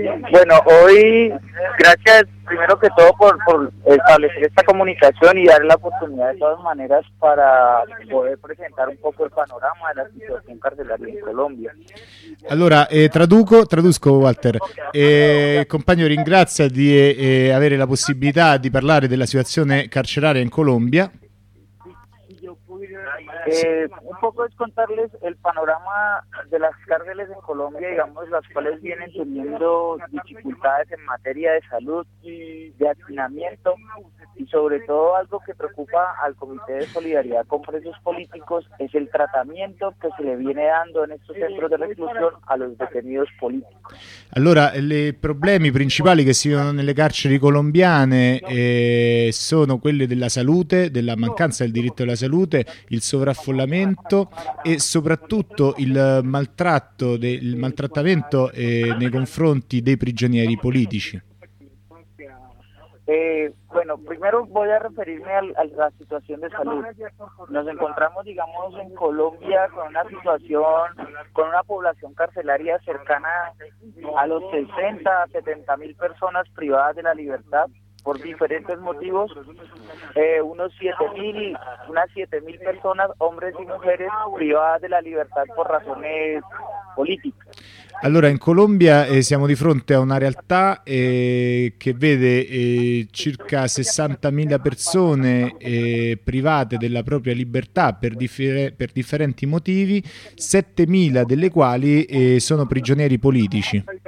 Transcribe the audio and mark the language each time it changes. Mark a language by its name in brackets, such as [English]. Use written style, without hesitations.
[Spanish] Bueno, hoy, gracias primero que todo por establecer esta comunicación y dar la oportunidad de todas maneras para poder presentar un poco el panorama de la situación carcelaria en Colombia. [Italian] Allora, traduzco Walter. Compagno, ringrazio di avere la possibilità di parlare della situazione carceraria in Colombia. [Spanish] Un poco es contarles el panorama de las cárceles en Colombia, digamos, las cuales vienen teniendo dificultades en materia de salud y de hacinamiento, y sobre todo algo que preocupa al Comité de Solidaridad con Presos Políticos es el tratamiento que se le viene dando en estos centros de reclusión a los detenidos políticos. [Italian] Allora, i problemi principali che si vivono nelle carceri colombiane sono quelli della salute, della mancanza del diritto alla salute, il sovraffollamento e soprattutto il maltrattamento nei confronti dei prigionieri politici. [Spanish] Bueno, primero voy a referirme a la situación de salud. Nos encontramos, digamos, en Colombia con una situación, con una población carcelaria cercana a los 60 a 70 mil personas privadas de la libertad por diferentes motivos. Unas 7 mil personas, hombres y mujeres, privadas de la libertad por razones políticas. [Italian] Allora, in Colombia siamo di fronte a una realtà che vede circa 60.000 persone private della propria libertà per differenti motivi, 7.000 delle quali sono prigionieri politici.